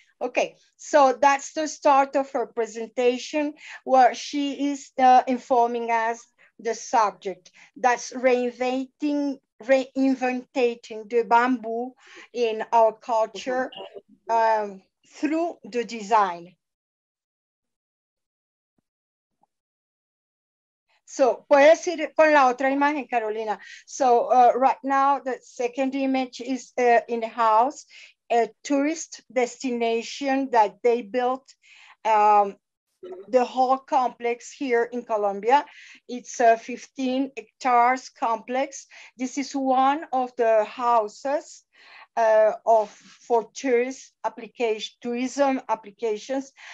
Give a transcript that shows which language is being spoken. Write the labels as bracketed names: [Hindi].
[English] Okay, so that's the start of her presentation where she is informing us the subject. That's reinventing the bamboo in our culture through the design. [Spanish] So, puede ser con la otra imagen, Carolina. [English] So, right now, the second image is in-house, a tourist destination that they built the whole complex here in Colombia. It's a 15 hectares complex. This is one of the houses for tourist application, tourism applications.